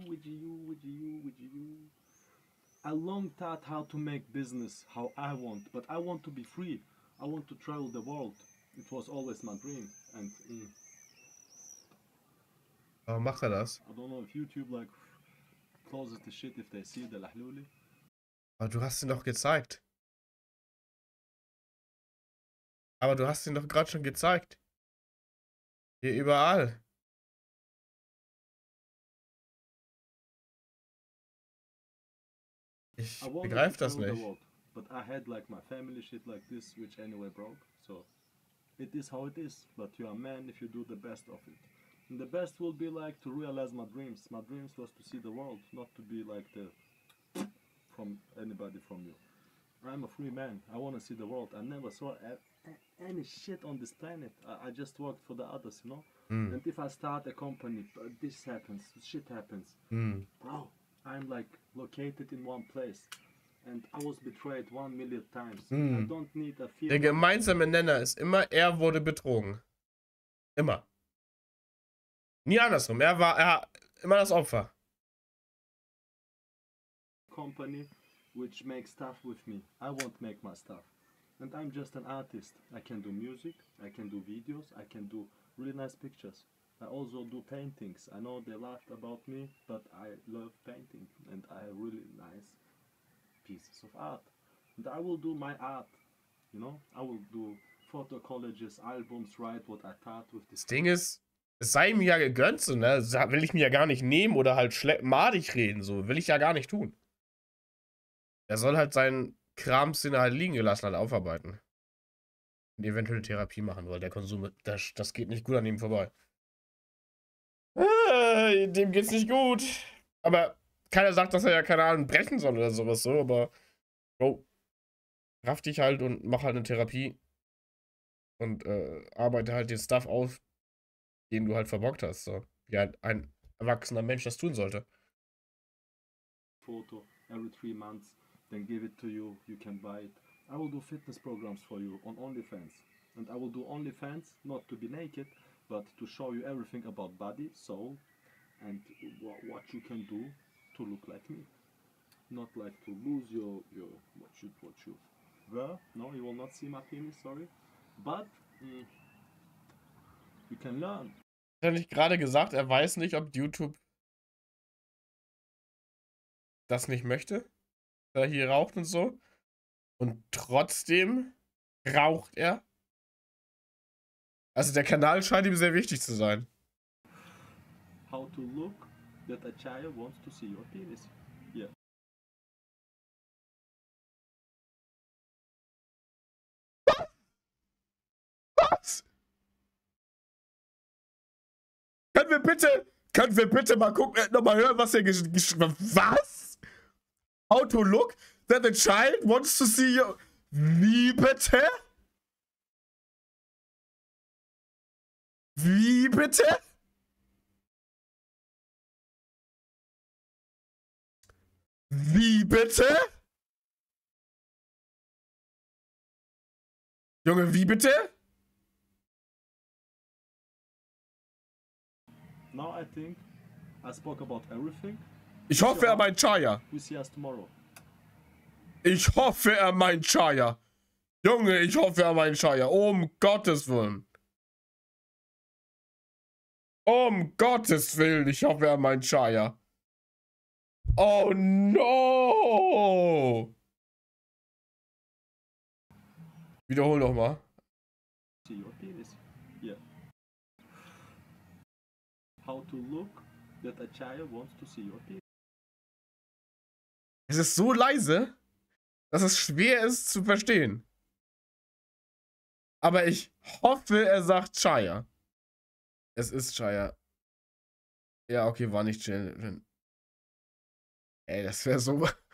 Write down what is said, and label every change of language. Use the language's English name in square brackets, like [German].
[English] Would you? I long thought how to make business how I want, but I want to be free. I want to travel the world. It was always my dream. And [German] Oh, mach er das? [English] I don't know if YouTube like closes the shit if they see the Lahluli. [German] Aber du hast ihn doch gezeigt. Aber du hast ihn doch gerade schon gezeigt. Hier überall. Ich begreif das nicht. World, [English] but I had like my family shit like this, which anyway broke. So it is how it is, but you are man if you do the best of it. And the best will be like to realize my dreams. My dreams was to see the world, not to be like the from anybody from you. I'm a free man. I want to see the world. I never saw any shit on this planet. I just worked for the others, you know? And if I start a company, this happens. Shit happens. Wow. I'm like located in one place and I was betrayed 1 million times. I don't need a fear. [German] Der gemeinsame Nenner ist immer, er wurde betrogen. Immer. Nie andersrum. Er war immer das Opfer. [English] Company which makes stuff with me. I won't make my stuff. And I'm just an artist. I can do music, I can do videos, I can do really nice pictures. I also do paintings. I know they laughed about me, but I love painting and I have really nice pieces of art. And I will do my art, you know? I will do photo collages, albums, write what I thought with this. [German] Das Ding ist, es sei mir ja gegönnt, so, ne? Will ich mir ja gar nicht nehmen oder halt madig reden, so. Will ich ja gar nicht tun. Er soll halt seinen Kram, den er halt liegen gelassen hat, aufarbeiten. eventuell eine Therapie machen, weil der Konsum, das geht nicht gut an ihm vorbei. Dem geht's nicht gut. Aber keiner sagt, dass er ja keine Ahnung brechen soll oder sowas so, aber Bro, raff dich halt und mach halt eine Therapie und arbeite halt den Stuff auf, den du halt verbockt hast, so. Wie halt ein erwachsener Mensch das tun sollte. [English] Foto, every 3 months, then give it to you, you can buy it. I will do fitness programs for you on OnlyFans. And I will do OnlyFans, not to be naked, but to show you everything about body, soul, and what you can do to look like me. Not like to lose your what you were. No, you will not see my penis, sorry. But, you can learn. [German] Hat er nicht gerade gesagt, er weiß nicht, ob YouTube das nicht möchte? Da hier raucht und so? Und trotzdem raucht er? Also der Kanal scheint ihm sehr wichtig zu sein. [English] How to look that a child wants to see your penis. Yeah. [German] Was? Können wir bitte mal gucken, nochmal hören, was er geschrieben hat? Was? [English] How to look that a child wants to see your... [German] Wie bitte? Wie bitte? Wie bitte? Junge, wie bitte? [English] Now I think I spoke about everything. [German] Ich hoffe, er meint Chaya. [English] We see us tomorrow. [German] Ich hoffe, er meint Chaya. Junge, ich hoffe, er meint Chaya. Um Gottes Willen. Um Gottes Willen, ich hoffe, er meint Chaya. [English] Oh no! [German] Wiederhol nochmal. [English] See your penis. Yeah. How to look that a child wants to see your penis. [German] Es ist so leise, dass es schwer ist zu verstehen. Aber ich hoffe, er sagt Chaya. Es ist Chaya. Ja, okay, war nicht Jen. Ey, das wäre so.